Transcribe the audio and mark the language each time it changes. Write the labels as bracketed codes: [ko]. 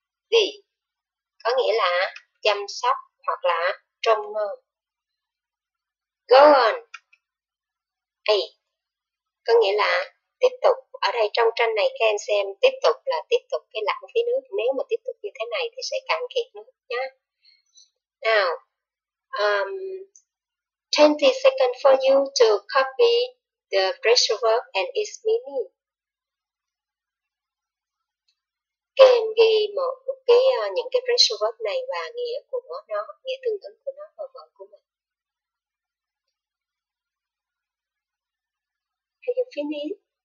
[vi] D. Có nghĩa là chăm sóc hoặc là trông mong. Go on. A. Có nghĩa là tiếp tục. Ở đây trong tranh này các em xem tiếp tục là tiếp tục cái lặn phía nước. Nếu mà tiếp tục như thế này thì sẽ cạn kiệt nước nhé. Nào. [en] 20 seconds for you to copy the phrasal verb and its meaning. [vi] Các em ghi một cái những cái phrasal verb này và nghĩa của nó, nghĩa tương ứng của nó vào vở của mình. [en] Have you finished?